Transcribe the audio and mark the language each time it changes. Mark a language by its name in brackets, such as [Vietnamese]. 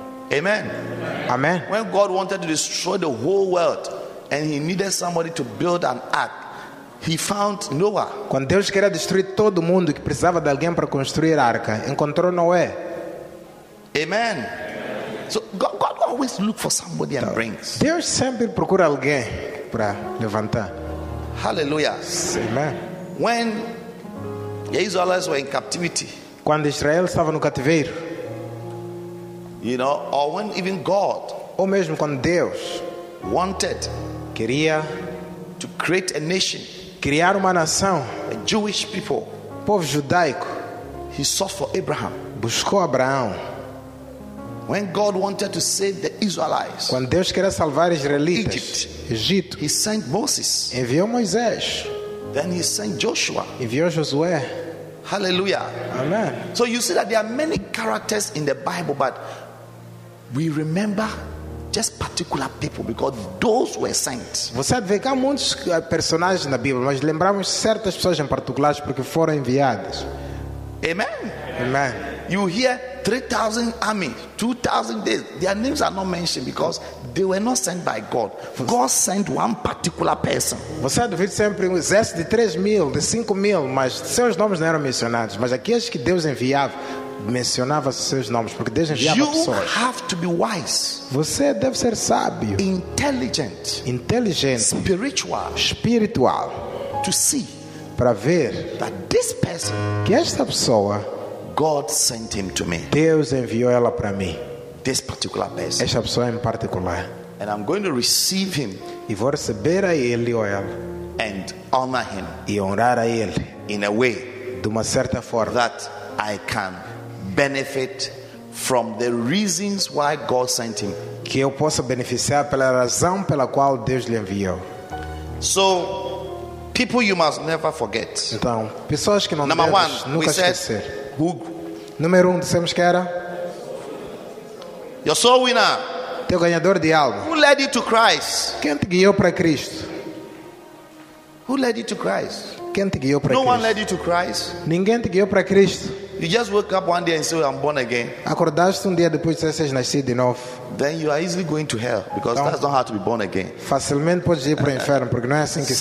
[English] Amen. [Portuguese] Amen. [English] When God wanted to destroy the whole world and he needed somebody to build an ark, he found Noah. [Portuguese] Quando Deus queria destruir todo mundo e precisava de alguém para construir a arca, encontrou Noé. Amen. [English] So God always look for somebody and brings. [Portuguese] Deus sempre procura alguém para levantar. [English] Hallelujah. [Portuguese] Amen. [English] When the Israelites were in captivity, [Portuguese] quando Israel estava no cativeiro, [English] you know, or when even God, [Portuguese] ou mesmo quando Deus [English] wanted, [Portuguese] queria [English] to create a nation, [Portuguese] criar uma nação, [English] a Jewish people, [Portuguese] povo judaico, [English] he sought for Abraham, [Portuguese] buscou Abraão. [English] When God wanted to save the Israelites, [Portuguese] quando Deus queria salvar Israelitas, [English] Egypt, [Portuguese] Egito, [English] he sent Moses, [Portuguese] enviou Moisés. [English] Then he sent Joshua, [Portuguese] enviou Josué. [English] Hallelujah. [Portuguese] Amen. [English] So you see that there are many characters in the Bible, but we remember just particular people because those were sent. [Portuguese] Você vê que há muitos personagens na Bíblia, mas lembramos certas pessoas em particular porque foram enviadas. [English] Amen. [Portuguese] Amen. [English] You hear 3,000 army, 2,000 days. Their names are not mentioned because they were not sent by God. God sent one particular person. [Portuguese] Você ouve sempre um exército de 3,000, de 5,000, mas seus nomes não eram mencionados. Mas aqueles que Deus enviava, mencionava seus nomes, porque Deus enviava [English] you [Portuguese] pessoas. [English] You have to be wise. [Portuguese] Você deve ser sábio. [English] Intelligent. [Portuguese] Inteligente. [English] Spiritual. [Portuguese] Espiritual. [English] To see. [Portuguese] Para ver. [English] That this person. [Portuguese] Que esta pessoa. [English] God sent him to me. [Portuguese] Deus enviou ela para mim. [English] This particular person. [Portuguese] Esta pessoa em particular. [English] And I'm going to receive him. [Portuguese] E vou receber a ele ou ela. [English] And honor him. [Portuguese] E honrar a ele. [English] In a way. [Portuguese] De uma certa forma. [English] That I can benefit from the reasons why God sent him. [Portuguese] Que eu possa beneficiar pela razão pela qual Deus lhe enviou. [English] So, people you must never forget. [Portuguese] Então, pessoas que não [English] number [Portuguese] deves [English] one, [Portuguese] nunca esquecer. [English] Said, [Portuguese] número um, dissemos que era [English] your soul winner, [Portuguese] teu ganhador de alma. [English] Who led you to Christ? [Portuguese] Quem te guiou para Cristo? [English] Who led you to Christ? [Portuguese] Quem te guiou para [English] no [Portuguese] Cristo? [English] One led you to Christ. [Portuguese] Ninguém te guiou para Cristo. [English] You just woke up one day and said, I'm born again. [Portuguese] Acordaste dia depois de ser nascido de novo. [English] Then you are easily going to hell because that's not how to be born again. [Portuguese] Facilmente podes ir para o inferno porque não é assim que se